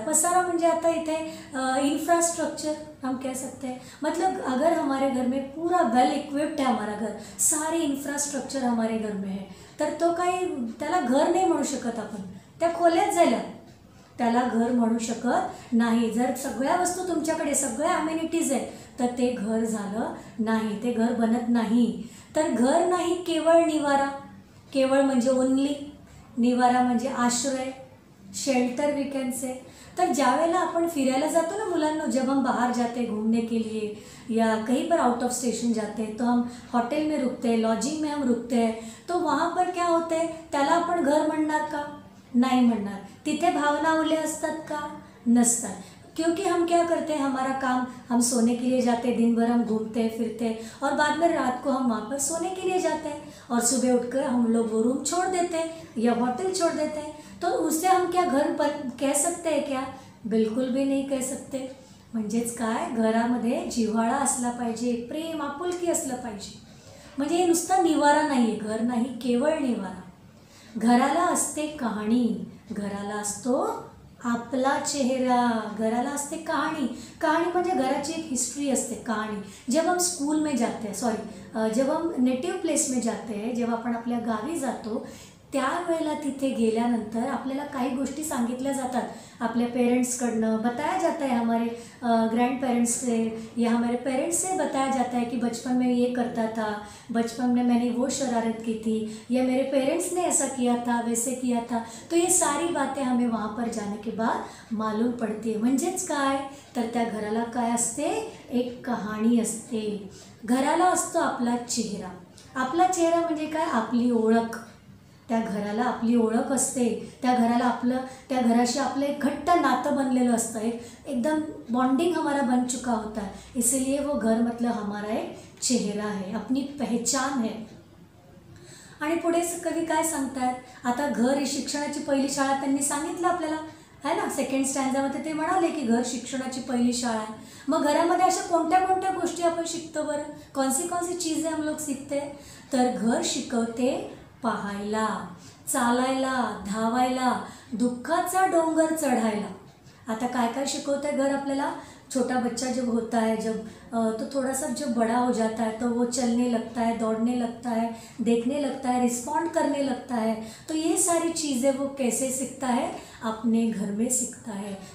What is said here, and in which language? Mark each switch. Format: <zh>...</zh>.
<mr>पसारा म्हणजे आता इथे</mr> <hi>इन्फ्रास्ट्रक्चर हम कह सकते हैं, मतलब अगर हमारे घर में पूरा वेल इक्विप्ड है, हमारा घर सारी इन्फ्रास्ट्रक्चर हमारे घर में है,</hi> <mr>तर तो काही त्याला घर नाही म्हणू शकत आपण, त्या खोल्यात झालं त्याला घर म्हणू शकत नाही. जर सगळ्या वस्तू तुमच्याकडे, सगळ्या ॲम्युनिटीज आहेत, तर ते घर झालं नाही, ते घर बनत नाही. तर घर नाही केवळ निवारा, केवळ म्हणजे ओनली, निवारा म्हणजे आश्रय,</mr> <en>Shelter we can say.</en> <mr>तर ज्यावेळेला आपण फिरायला जातो ना मुलांनो,</mr> <hi>जब हम बाहर जाते घूमने के लिए या कहीं पर आउट ऑफ स्टेशन जाते, तो हम हॉटेल में रुकते हैं, लॉजिंग में हम रुकते हैं, तो वहाँ पर क्या होते है,</hi> <mr>त्याला आपण घर म्हणणार का, नाही म्हणणार. तिथे भावना उले असतात का, नसतात.</mr> <hi>क्योंकि हम क्या करते हैं, हमारा काम, हम सोने के लिए जाते हैं, दिन भर हम घूमते हैं फिरते हैं, और बाद में रात को हम वहाँ पर सोने के लिए जाते हैं, और सुबह उठकर हम लोग वो रूम छोड़ देते हैं या होटल छोड़ देते हैं. तो उससे हम क्या घर पर कह सकते हैं क्या, बिल्कुल भी नहीं कह सकते.</hi> <mr>म्हणजेच काय, घरामध्ये जिव्हाळा असला पाहिजे, प्रेम आपुलकी असलं पाहिजे. म्हणजे हे नुसतं निवारा नाही आहे, घर नाही केवळ निवारा. घराला असते कहाणी, घराला असतो आपला चेहरा, घराला असते कहाणी. कहाणी म्हणजे घराची एक हिस्ट्री असते, कहाणी.</mr> <hi>जब हम स्कूल में जाते हैं, सॉरी, जब हम नेटिव प्लेस में जाते हैं,</hi> <mr>जेव्हा आपण आपल्या गावी जातो, त्यावेळेला तिथे गेल्यानंतर आपल्याला काही गोष्टी सांगितल्या जातात आपल्या पेरेंट्सकडनं,</mr> <hi>बताया जाता है हमारे ग्रँड पेरेंट्स से, या हमारे पेरेंट्स से बताया जाता है कि बचपन में ये करता था, बचपन में मैंने वो शरारत की थी, या मेरे पेरेंट्स ने ऐसा किया था, वैसे किया था. तो ये सारी बातें हमें वहाँ पर जाने के बाद मालूम पड़ती है.</hi> <mr>म्हणजेच काय, तर त्या घराला काय असते, एक कहाणी असते. घराला असतो आपला चेहरा. आपला चेहरा म्हणजे काय, आपली ओळख. त्या घराला आपली ओळख असते, त्या घराला आपलं, त्या घराशी आपलं एक घट्ट नातं बनलेलं असतं,</mr> <hi>एकदम बॉन्डिंग हमारा बन चुका होता है. इसलिए वो घर मतलब हमारा एक चेहरा है, अपनी पहचान है.</hi> <mr>आणि पुढे कवी काय सांगतात, आता घर ही शिक्षणाची पहिली शाळा त्यांनी सांगितलं आपल्याला, है ना, सेकंड स्टँडर्डमध्ये ते म्हणाले की घर शिक्षणाची पहिली शाळा आहे. मग घरामध्ये अशा कोणत्या कोणत्या गोष्टी आपण शिकतो बरं,</mr> <hi>कौन सी चीज आहे हम लोग सीखते.</hi> <mr>तर घर शिकवते पहायला, चालायला, धावायला, दुःखाचा डोंगर चढायला. आता काय काय शिकवतं आहे घर आपल्याला,</mr> <hi>छोटा बच्चा जब होता है, जब तो थोड़ा सा जब बड़ा हो जाता है, तो वो चलने लगता है, दौड़ने लगता है, देखने लगता है, रिस्पॉन्ड करने लगता है. तो ये सारी चीज़ें वो कैसे सीखता है, अपने घर में सीखता है.</hi>